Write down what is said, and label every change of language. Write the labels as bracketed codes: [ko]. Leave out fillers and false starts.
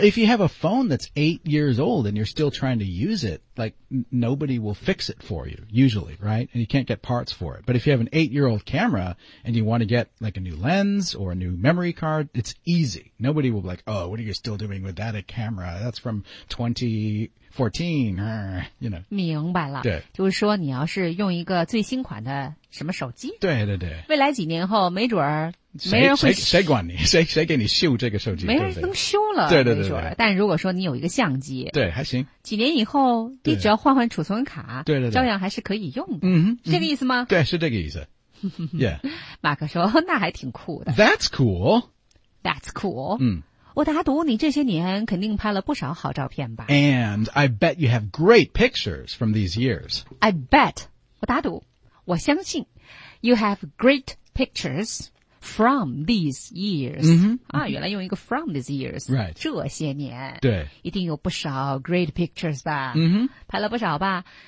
[en] Well if you have a phone that's 8 years old and you're still trying to use it like nobody will fix it for you usually right and you can't get parts for it but if you have an 8 year old camera and you want to get like a new lens or a new memory card it's easy nobody will be like oh what are you still doing with that a camera that's from 2014, you know. [zh] 明白了。对。就是说你要是用一个最新款的什么手机。对。未来几年后没准儿没人会。谁管你谁给你修这个手机没人能修了。对。但如果说你有一个相机。对还行。几年以后你只要换储存卡。对。照样还是可以用的。嗯这个意思吗对是这个意思。 [en] yeah. [zh] 马克说那还挺酷的。 [en] That's cool. That's cool. [zh] 嗯。我打赌你这些年肯定拍了不少好照片吧。 [en] And I bet you have great pictures from these years. I bet, [zh] 我打赌,我相信 [en] you have great pictures from these years.、 [zh] 原来用一个 [en] from these years,、 right. [zh] 这些年对一定有不少 [en] great pictures [zh] 吧、拍了不少吧。